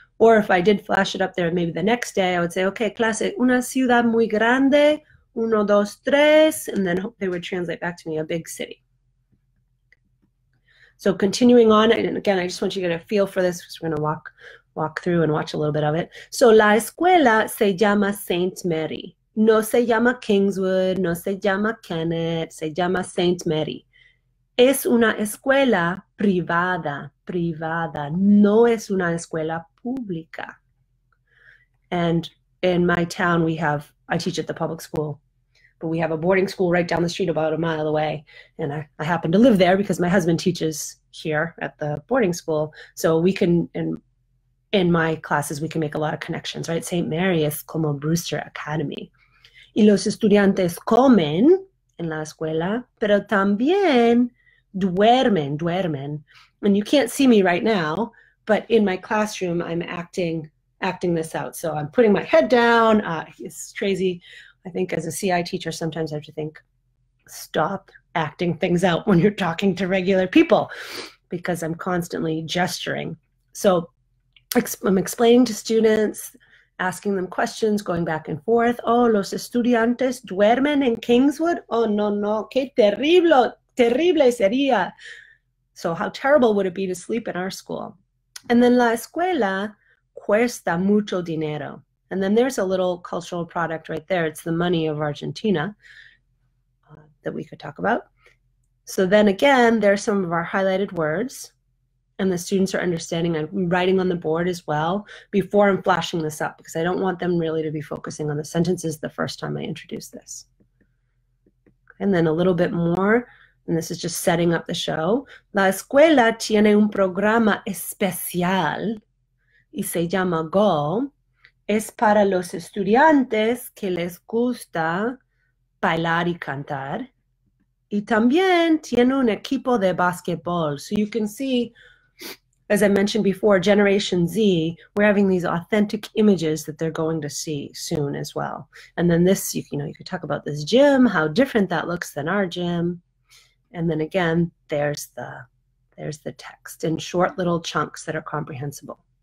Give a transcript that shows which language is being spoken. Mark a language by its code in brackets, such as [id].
[en] Or if I did flash it up there, maybe the next day, I would say, okay, [es] clase, una ciudad muy grande, uno, dos, tres, [en] and then they would translate back to me, a big city. So continuing on, and again, I just want you to get a feel for this because we're going to walk through and watch a little bit of it. So [es] la escuela se llama Saint Mary. No se llama Kingswood, no se llama Kennett, se llama Saint Mary. Es una escuela privada, privada. No es una escuela pública. [en] And in my town, we have, I teach at the public school, but we have a boarding school right down the street, about a mile away. And I happen to live there because my husband teaches here at the boarding school. So we can, in my classes, we can make a lot of connections, right? St. Mary is como Brewster Academy. [es] Y los estudiantes comen en la escuela, pero también duermen. [en] And you can't see me right now, but in my classroom, I'm acting this out. So I'm putting my head down. It's crazy. I think as a CI teacher, sometimes I have to think, stop acting things out when you're talking to regular people, because I'm constantly gesturing. So I'm explaining to students, asking them questions, going back and forth. [es] Oh, los estudiantes duermen en Kingswood? Oh, no, qué terrible, terrible sería. [en] So how terrible would it be to sleep in our school? And then [es] la escuela cuesta mucho dinero. [en] And then there's a little cultural product right there. It's the money of Argentina that we could talk about. So then again, there's some of our highlighted words, and the students are understanding. I'm writing on the board as well before I'm flashing this up, because I don't want them really to be focusing on the sentences the first time I introduce this. And then a little bit more, and this is just setting up the show. [es] La escuela tiene un programa especial y se llama Go. Es para los estudiantes que les gusta bailar y cantar. Y también tiene un equipo de basquetbol. [en] So you can see, as I mentioned before, Generation Z, we're having these authentic images that they're going to see soon as well. And then this, you could talk about this gym, how different that looks than our gym. And then again, there's the text in short little chunks that are comprehensible.